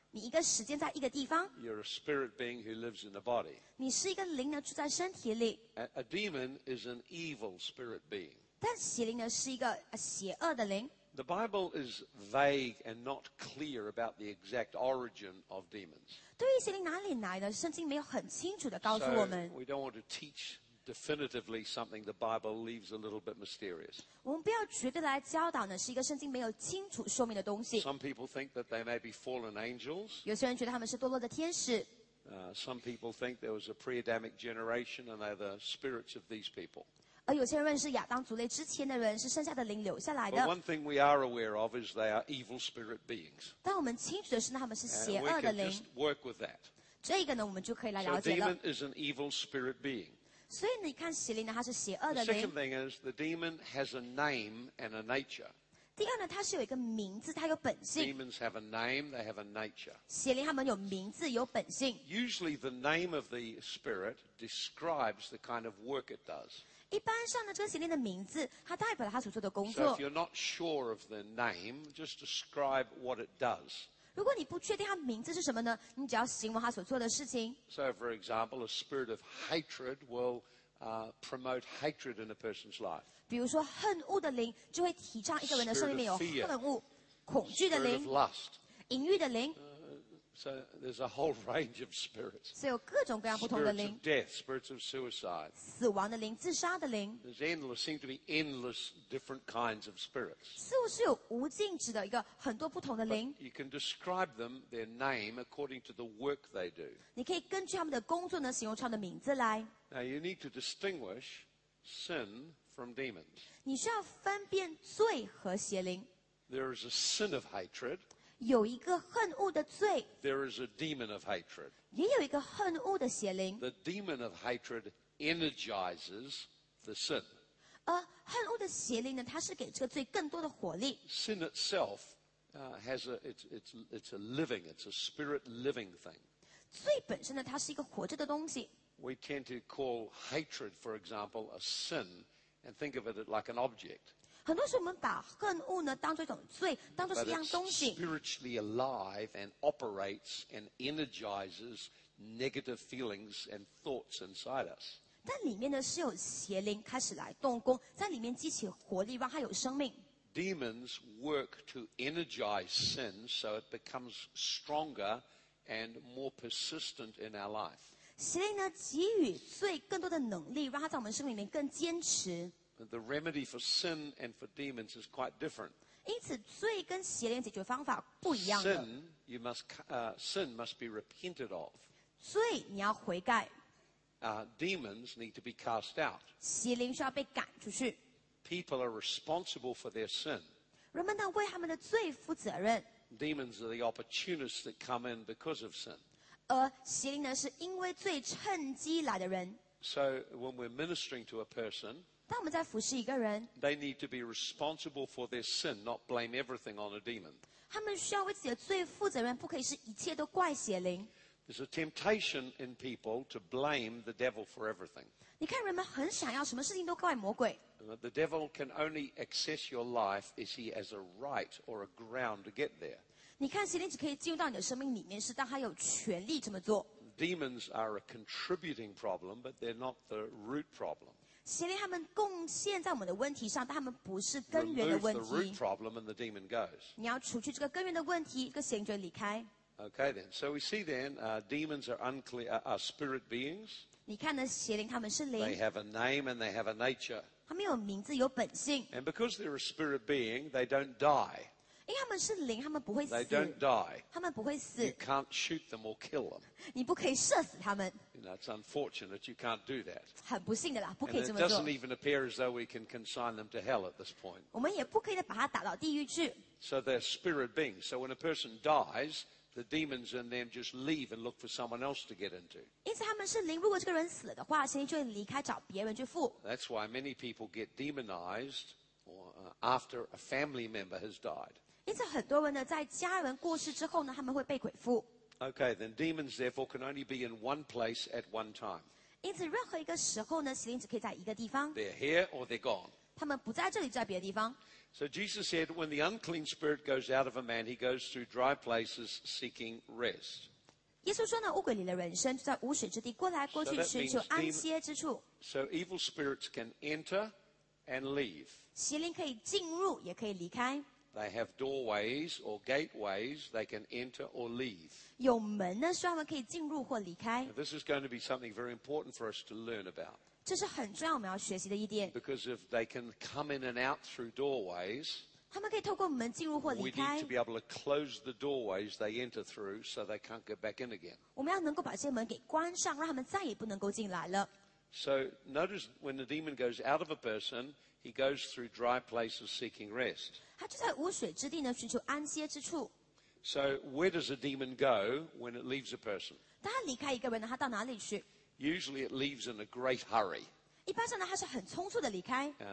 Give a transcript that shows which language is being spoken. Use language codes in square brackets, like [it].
[zh] 你一个时间在一个地方。 [en] You're a spirit being who lives in a body. [zh] 你是一个灵呢，住在身体里。 [en] A demon is an evil spirit being. [zh] 但邪灵呢，是一个邪恶的灵。 [en] The Bible is vague and not clear about the exact origin of demons. [zh] 对于邪灵哪里来的，圣经没有很清楚的告诉我们。 [en] So we don't want to teach definitively something the Bible leaves a little bit mysterious. [zh] 我们不要绝对来教导呢，是一个圣经没有清楚说明的东西。 [en] Some people think that they may be fallen angels. [zh] 有些人觉得他们是堕落的天使。 [en] Some people think there was a pre-Adamic generation and they're the spirits of these people. [zh] 而有些人是亚当族类之前的人，是剩下的灵留下来的。 [en] But one thing we are aware of is they are evil spirit beings. [zh] 但我们清楚的是，他们是邪恶的灵。 [en] And we can just work with that. [zh] 这个呢，我们就可以来了解了。 [en] So demon is an evil spirit being. [zh] 所以你看邪灵呢，它是邪恶的灵。 [en] The second thing is the demon has a name and a nature. [zh] 第二呢，它是有一个名字，它有本性。 [en] Demons have a name, they have a nature. [zh] 邪灵他们有名字，有本性。 [en] Usually the name of the spirit describes the kind of work it does. [zh] 一般上呢，这个邪灵的名字，它代表了它所做的工作。 [en] So if you're not sure of the name, just describe what it does. [zh] 如果你不确定他名字是什么呢？你只要形容他所做的事情。 [en] So, for example, a spirit of hatred will promote hatred in a person's life. [zh] 比如说，恨恶的灵就会提倡一个人的生命里面有恨恶、恐惧的灵、淫欲的灵。 [en] So there's a whole range of spirits. [zh] 所以有各种各样不同的灵。 [en] Spirits of death, spirits of suicide. [zh] 死亡的灵、自杀的灵。 [en] There's endless, seem to be endless different kinds of spirits. [zh] 似乎是有无尽止的一个很多不同的灵。 [en] But you can describe them, their name, according to the work they do. [zh] 你可以根据他们的工作呢，形容他们的名字来。 [en] Now you need to distinguish sin from demons. [zh] 你需要分辨罪和邪灵。 [en] There is a sin of hatred. [zh] 有一个恨恶的罪。 [en] There is a demon of hatred. [zh] 也有一个恨恶的邪灵。 [en] The demon of hatred energizes the sin. [zh] 恨恶的邪灵呢，它是给这个罪更多的火力。 [en] Sin itself has a it's a living, it's a spirit living thing. [zh] 罪本身呢，它是一个活着的东西。 [en] We tend to call hatred, for example, a sin, and think of it like an object. [zh] 很多时候我们把恨恶呢当作一种罪，当作是一样东西。 [en] But it's spiritually alive and operates and energizes negative feelings and thoughts inside us. [zh] 但里面呢是有邪灵开始来动工，在里面激起活力，让它有生命。 [en] Demons work to energize sin so it becomes stronger and more persistent in our life. [zh] 邪灵呢给予罪更多的能力，让它在我们生命里面更坚持。 [en] The remedy for sin and for demons is quite different. [zh] 因此，罪跟邪灵解决方法不一样的。 [en] Sin, you must, sin must be repented of. [zh] 罪你要悔改。 [en] Demons need to be cast out. [zh] 邪灵需要被赶出去。 [en] People are responsible for their sin. [zh] 人们呢为他们的罪负责任。 [en] Demons are the opportunists that come in because of sin. [zh] 而邪灵呢是因为罪趁机来的人。 [en] So when we're ministering to a person, [zh] 当我们在服侍一个人， [en] they need to be responsible for their sin, not blame everything on a demon. [zh] 他们需要为自己的罪负责任，不可以是一切都怪邪灵。 [en] There's a temptation in people to blame the devil for everything. [zh] 你看人们很想要什么事情都怪魔鬼。 [en] The devil can only access your life if he has a right or a ground to get there. [zh] 你看邪灵只可以进入到你的生命里面是当他有权力这么做。 [en] Demons are a contributing problem, but they're not the root problem. [zh] 邪灵他们贡献在我们的问题上，但他们不是根源的问题。 [en] Remove the root problem and the demon goes. [zh] 你要除去这个根源的问题，这个邪灵就离开。 [en] Okay then, so we see then, demons are unclear, are spirit beings. [zh] 你看呢，邪灵他们是灵。 [en] They have a name and they have a nature. [zh] 他们有名字，有本性。 [en] And because they're a spirit being, they don't die. [zh] 因为他们是灵，他们不会死。 [en] They don't die. [zh] 他们不会死。 [en] You can't shoot them or kill them. [zh] 你不可以射死他们。 [en] You know, it's unfortunate you can't do that. [zh] 很不幸的啦，不可以这么做。 [en] And it doesn't even appear as though we can consign them to hell at this point. [zh] 我们也不可以把他打到地狱去。 [en] So they're spirit beings. So when a person dies, the demons in them just leave and look for someone else to get into. [zh] 因此他们是灵，如果这个人死了的话，邪灵就会离开找别人去附。 [en] That's why many people get demonized after a family member has died. [zh] 因此很多人呢在家人过世之后呢他们会被鬼附。 [en] Okay, then demons therefore can only be in one place at one time. [zh] 因此任何一个时候呢邪灵只可以在一个地方。 [en] They're here or they're gone. [zh] 他们不在这里在别的地方。 [en] So Jesus said, when the unclean spirit goes out of a man, he goes through dry places seeking rest. [zh] 耶稣说呢污鬼里的人生就在污水之地过来过去寻求安歇之处。 [en] So evil spirits can enter and leave. [zh] 邪灵可以进入也可以离开。 [en] They have doorways or gateways they can enter or leave. [zh] 有门呢，所以他们可以进入或离开。 [en] Now, this is going to be something very important for us to learn about. [zh] 这是很重要我们要学习的一点。 [en] Because if they can come in and out through doorways, [zh] 他们可以透过门进入或离开。 [en] We need to be able to close the doorways they enter through so they can't get back in again. [zh] 我们要能够把这些门给关上，让他们再也不能够进来了。 [en] So notice when the demon goes out of a person,He goes through dry places seeking rest. [zh] 他就在无水之地呢，寻求安歇之处。 [en] So where does a demon go when it leaves a person? [zh] 当他离开一个人呢，他到哪里去？ [en] Usually it leaves in a great hurry. [zh] 一般上呢，他是很匆促的离开。